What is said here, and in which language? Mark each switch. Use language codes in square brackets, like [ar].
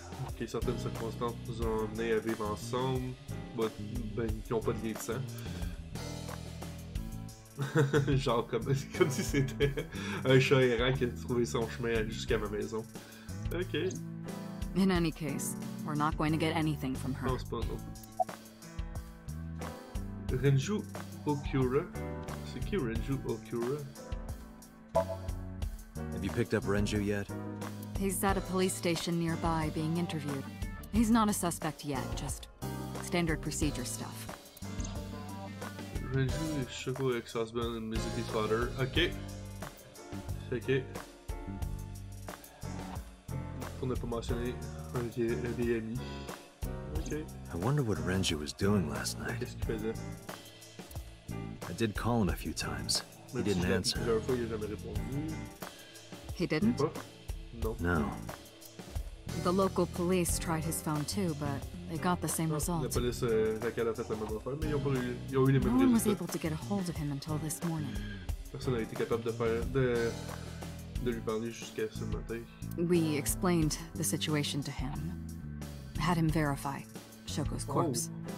[fr] Okay, certaines circonstances nous ont amenés à vivre ensemble, but, ben, qui n'ont pas de lien de sang. Genre comme si c'était un chat errant qui a trouvé son chemin jusqu'à ma maison. Ok. [en] In any case, we're not going to get anything from her. [fr] Non, c'est pas ça. Renju Okura. C'est qui Renju Okura? [en] Have you picked up Renju yet? He's at a police station nearby being interviewed. He's not a suspect yet, just standard procedure stuff. Renju is Shoko ex-husband and Mizuki's father. Okay. Okay. [fr] Pour ne pas mentionner un vieil ami. Okay. [en] I wonder what Renju was doing last night. [fr] Qu'est-ce qu'il faisait? [en] I did call him a few times. He didn't answer. [fr] Mais plusieurs fois, il a jamais répondu. [en] He didn't? No. No. The local police tried his phone too, but they got the same result. [fr] La police laquelle a fait la même affaire, mais ils ont eu les mêmes résultats. [en] No one was able to get a hold of him until this morning. [fr] Personne n'a été capable de lui parler jusqu'à ce matin. [en] We explained the situation to him. Had him verify Shoko's corpse.